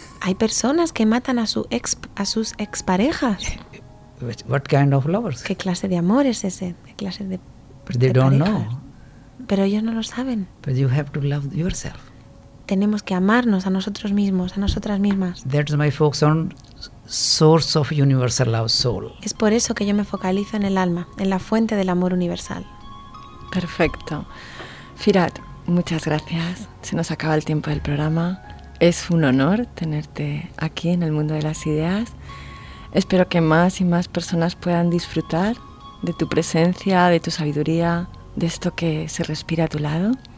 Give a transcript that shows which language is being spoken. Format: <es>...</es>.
<es>Hay personas que matan a sus exparejas.</es> <en>What kind of lovers?</en> <es>¿Qué clase de amor es ese? ¿Qué clase de pareja?</es> <en>They don't know.</en> <es>Pero ellos no lo saben.</es> <en>But you have to love yourself.</en> <es>Tenemos que amarnos a nosotros mismos, a nosotras mismas.</es> <en>That's my focus on source of universal love, soul.</en> <es>Es por eso que yo me focalizo en el alma, en la fuente del amor universal. Perfecto. Firat, muchas gracias. Se nos acaba el tiempo del programa. Es un honor tenerte aquí en el mundo de las ideas. Espero que más y más personas puedan disfrutar de tu presencia, de tu sabiduría, de esto que se respira a tu lado.</es>